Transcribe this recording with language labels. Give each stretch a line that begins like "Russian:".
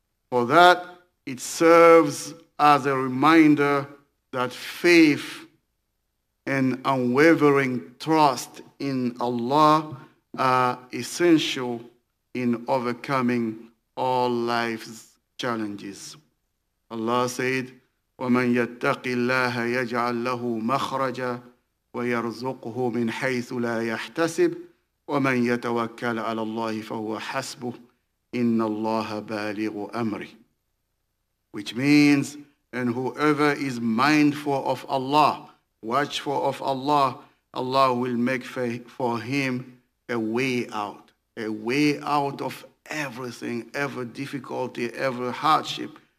English: For that, it serves as a reminder that faith and unwavering trust in Allah are essential in overcoming all life's challenges. Allah said,
Arabic: وَمَنْ يَتَّقِ اللَّهَ يَجْعَلْ لَهُ مَخْرَجًا وَيَرْزُقْهُ مِنْ حَيْثُ لَا يَحْتَسِبُ وَمَنْ يَتَوَكَّلْ عَلَى اللَّهِ فَهُوَ حَسْبُهُ إِنَّ اللَّهَ بَالِغُ أَمْرِهِ.
English: Which means, and whoever is mindful of Allah, watchful of Allah, Allah will make for him a way out of everything, every difficulty, every hardship,